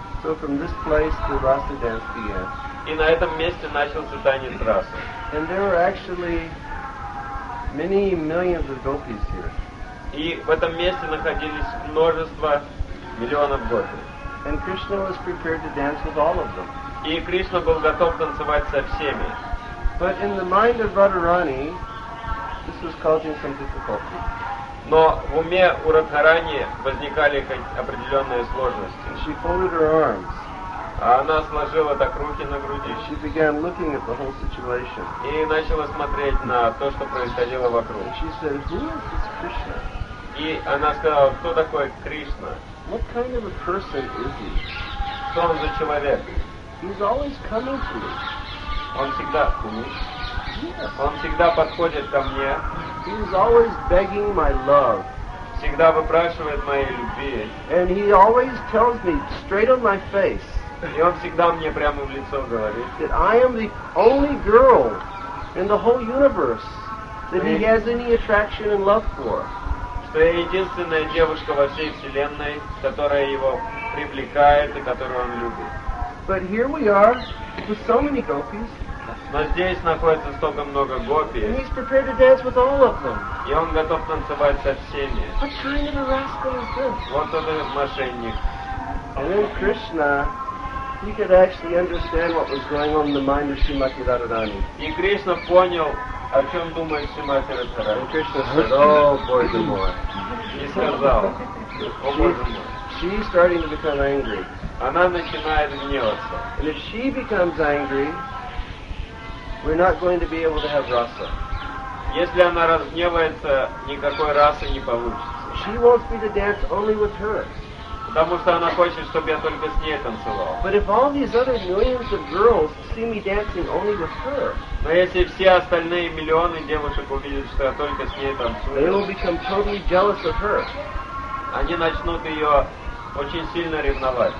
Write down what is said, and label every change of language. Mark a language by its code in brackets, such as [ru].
[en] So from this place the Rasa dance began. [ru] И на этом месте начался танец Раса. [en] And there were actually many millions of gopis here. [ru] И в этом месте находились множество миллионов гопи. [en] And Krishna was prepared to dance with all of them. [ru] И Кришна был готов танцевать со всеми. [en] But in the mind of Radharani, this was causing some difficulty. [ru] Но в уме у Радхарани возникали определенные сложности. [en] She folded her arms. [ru] А она сложила так руки на груди. [en] And she began looking at the whole situation. [ru] И начала смотреть на то, что происходило вокруг. [en] And she said, "Who is this Krishna?" [ru] И она сказала, кто такой Кришна? [en] What kind of a person is he? [ru] Что он за человек? [en] He's always coming to me. [ru] Он всегда к мне. [en] Yes. [ru] Он всегда подходит ко мне. [en] He's always begging my love. [ru] Всегда выпрашивает моей любви. [en] And he always tells me straight on my face. [ru] И он всегда мне прямо в лицо говорит. [en] That I am the only girl in the whole universe that he has any attraction and love for. [ru] Что я единственная девушка во всей вселенной, которая его привлекает и которую он любит. [en] But here we are with so many gopis. [ru] Но здесь находится столько много гопи. [en] And he's prepared to dance with all of them. [ru] И он готов танцевать со всеми. [en] What kind of a rascal is this? [ru] Вот он и мошенник. [en] And then Krishna, he could actually understand what was going on in the mind of Srimati Radharani. [ru] И Кришна понял. О чем думает Шримати Радхарани? [en] Кришна said, "Oh, [ru] Боже мой!" И сказал, "О, Боже мой!" [en] She's starting to become angry. [ru] Она начинает гневаться. [en] And if she becomes angry, we're not going to be able to have rasa. [ru] Если она разгневается, никакой расы не получится. [en] She wants me to dance only with her. [ru] Потому что она хочет, чтобы я только с ней танцевал. [en] But if all these other millions of girls see me dancing only with her, [ru] но если все остальные миллионы девушек увидят, что я только с ней танцую, [en] they will become totally jealous of her. [ru] Они начнут ее очень сильно ревновать.